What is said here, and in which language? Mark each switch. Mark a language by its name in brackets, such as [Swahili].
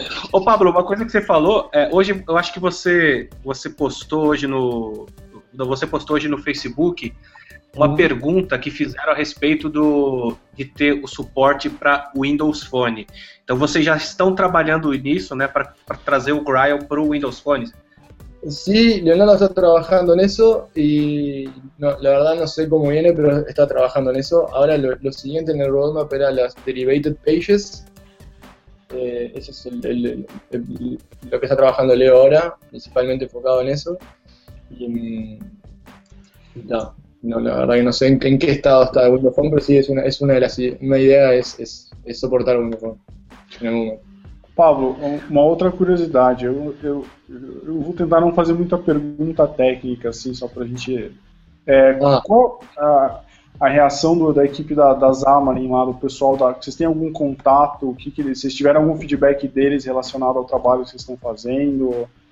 [Portuguese] Ô Pablo, uma coisa que você falou, hoje eu acho que você postou hoje no Facebook uma pergunta que fizeram a respeito de ter o suporte para Windows Phone. Então vocês já estão trabalhando nisso, né, para trazer o Grail para o Windows Phone? [Spanish] Sí, Leonardo está trabajando en eso y no, la verdad no sé cómo viene, pero está trabajando en eso. Ahora lo siguiente en el roadmap era las Derivated Pages. Ese es lo que está trabajando Leo ahora, principalmente enfocado en eso. Y, no, la verdad que no sé en qué estado está Windows Phone, pero sí, es una idea es soportar Windows Phone en algún momento. [Portuguese] Pablo, uma outra curiosidade, eu vou tentar não fazer muita pergunta técnica, assim, só para a gente... qual a reação da equipe da Xamarin lá, do pessoal, vocês têm algum contato, vocês tiveram algum feedback deles relacionado ao trabalho que vocês estão fazendo?